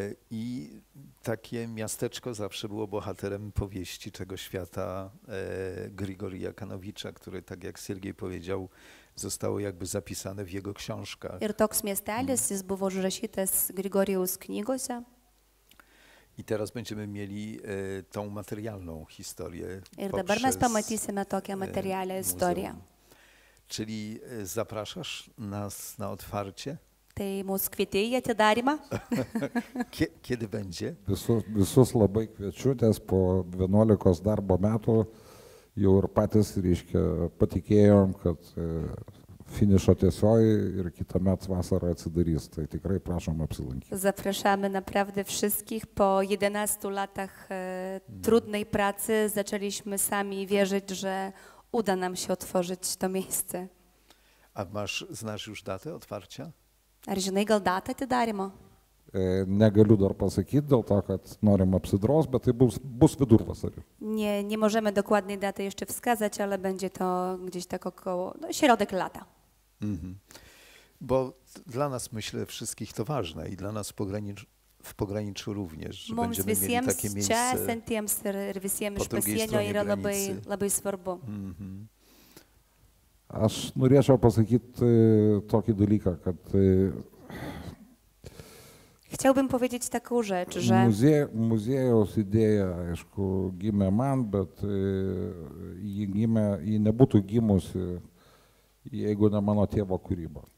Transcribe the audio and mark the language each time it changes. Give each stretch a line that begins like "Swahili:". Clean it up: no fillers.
Polish: I takie miasteczko zawsze było bohaterem powieści tego świata Grigorija Kanowicza, który tak jak Siergiej powiedział, zostało jakby zapisane w jego książkach.
Lithuanian: Ir toks miestelis jis buvo užrašytas Grigorijaus knygose.
Polish: I teraz będziemy mieli tą materialną historię.
Lithuanian: Ir dabar mes pamatysime tokią materialią historię.
Polish: Czyli zapraszasz nas na otwarcie?
Lithuanian: Tai mūsų kvietė į atidarymą.
Polish: Kiedy będzie?
Lithuanian: Visus labai kviečiu, nes po 11 darbo metų jau ir patys, reiškia, patikėjom, kad finišo tiesioji ir kitą metą vasarą atsidarys. Tai tikrai prašom apsilankyti.
Polish: Zapraszamy naprawdę wszystkich. Po 11 latach trudnej pracy zaczęliśmy sami wierzyć, że uda nam się otworzyć to miejsce. A masz, znasz już datę otwarcia?
Lithuanian: Ar žinai gal datą atidarymo? Negaliu dar pasakyti, dėl to, kad norim apsidros, bet tai bus vidurvasario.
Polish: Nie możemy dokładnej daty jeszcze wskazać, ale będzie to gdzieś tak około, no, środek lata. Mm-hmm. Bo dla nas, myślę, wszystkich to ważne i dla nas w pograniczu również, że
Lithuanian: mums
Polish: będziemy mieli takie miejsce
Lithuanian: sentiems, ir visiems
Polish: po drugiej stronie granicy.
Lithuanian: Labai svarbu. Mm-hmm. Aš norėčiau pasakyti tokį dalyką, kad
Polish: chciałbym powiedzieć taką rzecz, że
Lithuanian: muziejaus idėja, aišku, gimė man, bet ji nebūtų gimusi, jeigu ne mano tėvo kūryba.